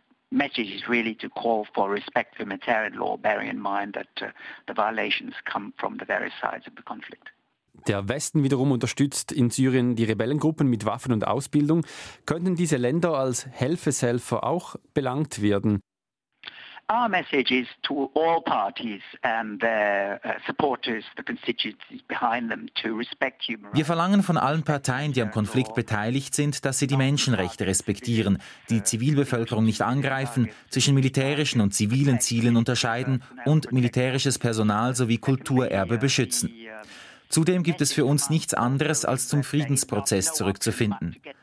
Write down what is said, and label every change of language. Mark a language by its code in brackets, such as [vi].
[en] Message is really to call for respect for humanitarian law, bearing in mind that the violations come from the various sides of the conflict. [de] Der Westen wiederum unterstützt in Syrien die Rebellengruppen mit Waffen und Ausbildung. Könnten diese Länder als Helfershelfer auch belangt werden? [en] Our message is to all parties and their supporters, the constituencies behind them, to respect human rights. [de] Wir verlangen von allen Parteien, die am Konflikt beteiligt sind, dass sie die Menschenrechte respektieren, die Zivilbevölkerung nicht angreifen, zwischen militärischen und zivilen Zielen unterscheiden und militärisches Personal sowie Kulturerbe beschützen. Zudem gibt es für uns nichts anderes, als zum Friedensprozess zurückzufinden.